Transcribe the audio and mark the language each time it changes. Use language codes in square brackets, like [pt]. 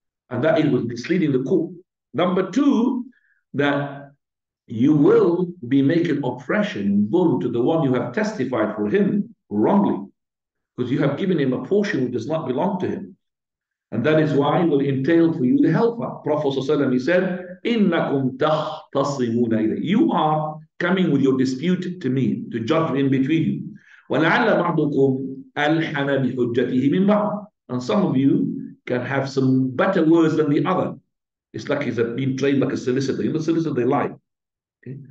[en] And that it was misleading the court. Number two, that you will be making oppression, bull to the one you have testified for him wrongly, because you have given him a portion which does not belong to him. And that is why it will entail for you the helper. Prophet ﷺ, he said, [ar] إِنَّكُمْ تَخْتَصِمُونَ إِلَيْهِ. [en] You are coming with your dispute to me, to judge in between you. [ar] وَلَعَلَّ بَعْضُكُمْ أَلْحَنَ بِحُجَّتِهِ مِنْ بَعْضٍ. [en] And some of you can have some better words than the other. It's like he's being trained like a solicitor. You know, solicitor, they lie. Okay?